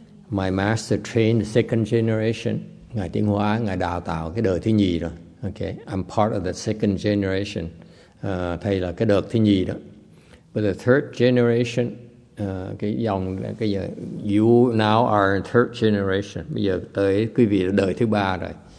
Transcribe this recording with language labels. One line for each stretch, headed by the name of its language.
English: My master trained the second generation.
Vietnamese: Ngài Tiến Hóa, Ngài đào tạo cái đời thứ nhì rồi.
English: Okay, I'm part of the second generation.
Vietnamese: Thầy là cái đợt thứ nhì đó.
English: But the third generation, you now are in third generation.
Vietnamese: Bây giờ tới quý vị là đời thứ ba rồi.